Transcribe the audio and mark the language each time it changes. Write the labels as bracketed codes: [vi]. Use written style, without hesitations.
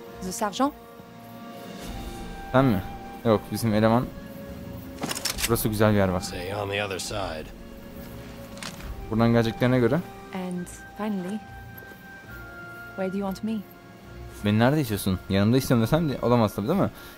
[en] Sergeant? [tr] Sen mi? Yok, bizim eleman. Burası güzel bir yer bak. [en] Say on the other side. [tr] Buradan geleceklerine göre. [en] And finally, where do you want me? [tr] Beni nerede istiyorsun? Yanımda istiyorum desem de olamaz tabii, değil mi?